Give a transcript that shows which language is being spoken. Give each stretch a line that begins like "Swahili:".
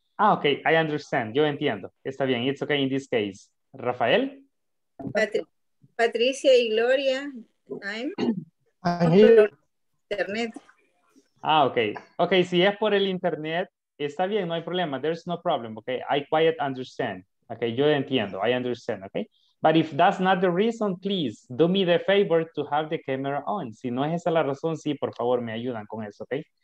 English: Ah, okay, I understand.
Spanish: Yo entiendo. Está bien.
English: It's okay in this case. Rafael.
Spanish: Patricia y Gloria.
English: I'm here. Internet. Ah, okay.
Spanish: Okay, si es por el internet, está bien, no hay problema.
English: There's no problem. Okay, I quite understand. Okay,
Spanish: yo entiendo.
English: I understand. Okay. But if that's not the reason, please do me the favor to have the camera on.
Spanish: Si no es esa la razón, sí, por favor, me ayudan con eso, okay?